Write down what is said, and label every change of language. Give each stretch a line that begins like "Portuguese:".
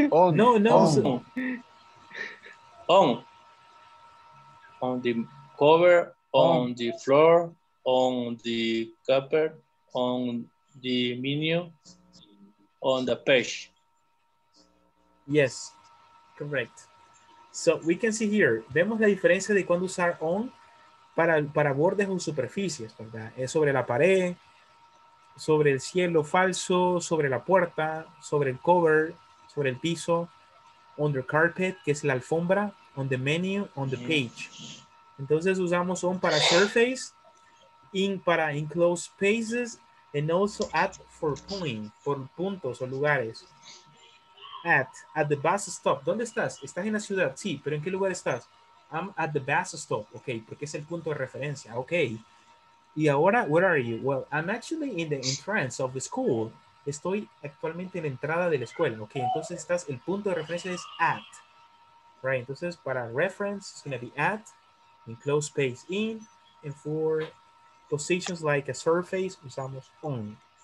English: No, no. On. So... on. On the cover, on the floor, on the carpet, on the menu, on the page. Yes, correct. So we can see here,
Spanish: vemos la diferencia de cuando usar on para bordes o superficies, ¿verdad? Es sobre la pared, sobre el cielo falso, sobre la puerta, sobre el cover, sobre el piso,
English: on the carpet,
Spanish: que es la alfombra,
English: on the menu, on the page.
Spanish: Entonces usamos on para surface, in para enclosed spaces,
English: and also at for point,
Spanish: por puntos o lugares.
English: At the bus stop.
Spanish: ¿Dónde estás? ¿Estás en la ciudad? Sí, pero ¿en qué lugar estás?
English: I'm at the bus stop.
Spanish: Ok, porque es el punto de referencia. Ok. Y ahora,
English: where are you? Well, I'm actually in the entrance of the school.
Spanish: Estoy actualmente en la entrada de la escuela. Ok, entonces estás, el punto de referencia es at.
English: Right,
Spanish: entonces para
English: reference, it's going to be at, enclosed space in, and for positions like a surface,
Spanish: usamos on.